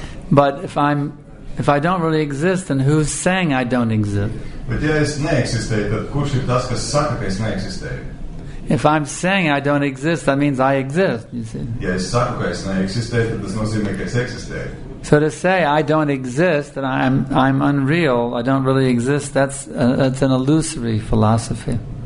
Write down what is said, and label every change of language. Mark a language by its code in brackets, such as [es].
[en] But if I don't really exist, then who's saying I don't exist? [lv] But ja es neeksistēju, tad kurš ir tas, kas saka, ka es neeksistēju? [en] If I'm saying I don't exist, that means I exist, you see. [lv] Ja es saku, ka es neeksistēju, tad tas nozīmē, ka es eksistēju. [en] So to say I don't exist, that I'm unreal, I don't really exist, that's an illusory philosophy.